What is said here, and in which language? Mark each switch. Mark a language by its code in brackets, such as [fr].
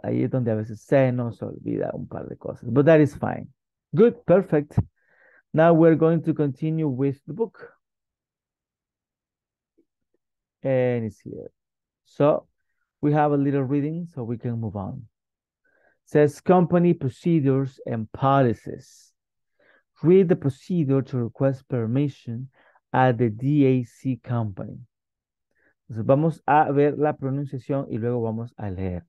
[es] Ahí es donde a veces se nos olvida un par de cosas. [en] But that is fine. Good, perfect. Now we're going to continue with the book. And it's here. So, we have a little reading so we can move on. It says, company procedures and policies. Read the procedure to request permission at the DAC company. [es] Entonces, vamos a ver la pronunciación y luego vamos a leer.